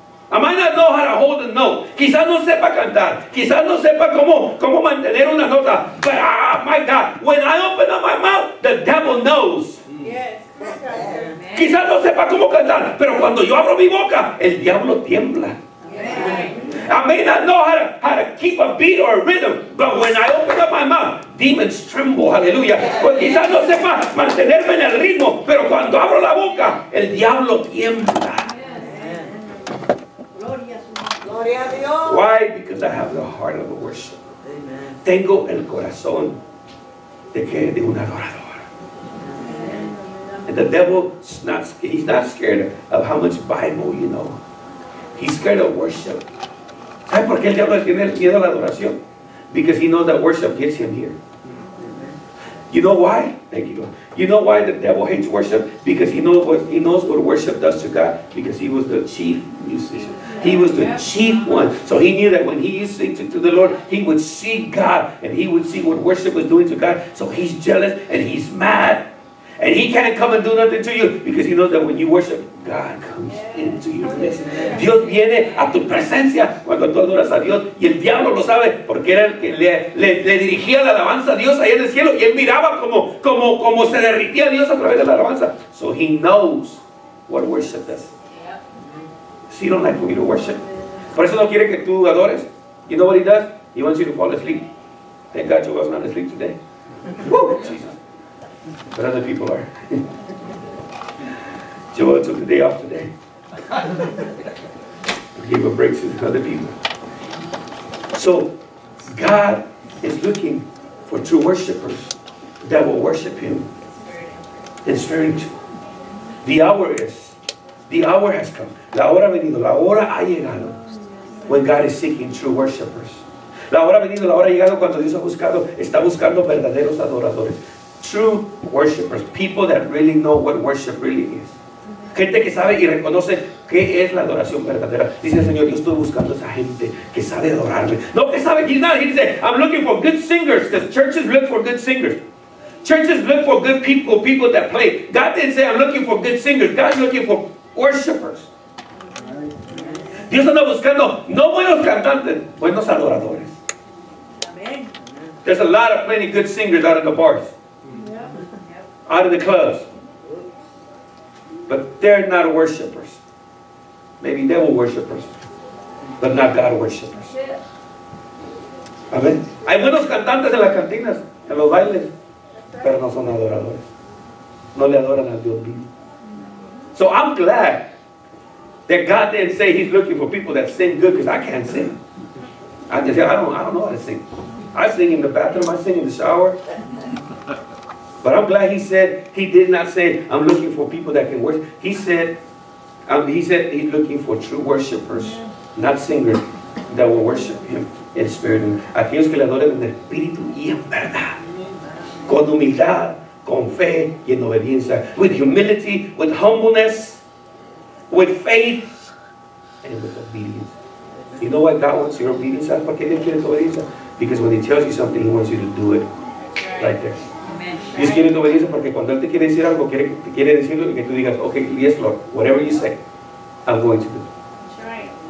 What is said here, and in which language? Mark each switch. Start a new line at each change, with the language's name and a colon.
English: I might not know how to hold a note.
Spanish: Quizás no sepa cantar. Quizás no sepa cómo mantener una nota.
English: But my God, when I open up my mouth, the devil knows. Yes.
Spanish: Quizás no sepa cómo cantar, pero cuando yo abro mi boca, el diablo tiembla.
English: Amen. I may not know how to keep a beat or a rhythm, but when I open up my mouth, demons tremble. Hallelujah.
Spanish: Pues quizás no sepa mantenerme en el ritmo, pero cuando abro la boca, el diablo tiembla.
English: Why? Because I have the heart of a worshiper. Amen.
Spanish: Tengo el corazón de un adorador.
English: Amen. And the devil, he's not scared of how much Bible you know. He's scared of worship.
Spanish: ¿Sabes por qué el diablo tiene miedo a la adoración?
English: Because he knows that worship gets him here. You know why? Thank you, Lord. You know why the devil hates worship? Because he knows what worship does to God. Because he was the chief musician. He was the chief one. So he knew that when he used to sing to the Lord, he would see God. And he would see what worship was doing to God. So he's jealous and he's mad. And he can't come and do nothing to you because he knows that when you worship, God comes into your presence.
Spanish: Dios viene a tu presencia cuando tú adoras a Dios. Y el diablo lo sabe porque era el que le dirigía la alabanza a Dios ahí en el cielo. Y él miraba como se derritía a Dios a través de la alabanza.
English: So he knows what worship is. Yep. He don't like for you to worship.
Spanish: Por eso no quiere que tú adores.
English: You know what he does? He wants you to fall asleep. Thank God you was not asleep today. Woo, Jesus. But other people are. Joel took the day off today. Give a break to other people. So, God is looking for true worshipers that will worship Him. It's very true. The hour is. The hour has come.
Spanish: La hora ha venido.
English: La hora ha llegado. When God is seeking true worshipers.
Spanish: La hora ha venido. La hora ha llegado cuando Dios ha buscado. Está buscando verdaderos adoradores.
English: True worshipers, people that really know what worship really is.
Spanish: Gente que sabe y reconoce qué es la adoración verdadera. Dice el Señor, yo estoy buscando esa gente que sabe adorarme. No, que sabe,
English: he's not. He dice, I'm looking for good singers, because churches look for good singers. Churches look for good people, people that play. God didn't say, I'm looking for good singers. God's looking for worshipers.
Spanish: Dios anda buscando no buenos cantantes, buenos adoradores.
English: There's a lot of plenty good singers out in the bars. Out of the clubs. But they're not worshipers. Maybe devil worshipers. But not God worshipers. Amen.
Spanish: Hay buenos cantantes en las cantinas, en los bailes. Pero no son adoradores. No le adoran al Dios vivo.
English: So I'm glad that God didn't say he's looking for people that sing good because I can't sing. I just say, I don't know how to sing. I sing in the bathroom, I sing in the shower. But I'm glad he did not say, I'm looking for people that can worship. He said he's looking for true worshipers, not singers, that will worship him in spirit.
Spanish: Aquellos que le adoren en espíritu y en verdad. Con humildad, con fe y en obediencia.
English: With humility, with humbleness, with faith, and with obedience. You know why God wants your obedience?
Spanish: ¿Sabes por qué Dios quiere tu obediencia?
English: Because when he tells you something, he wants you to do it right there.
Spanish: Dios quiere tu obediencia porque cuando Él te quiere decir algo, quiere decirlo y que tú digas,
English: ok, yes, Lord, whatever you say, I'm going to do it.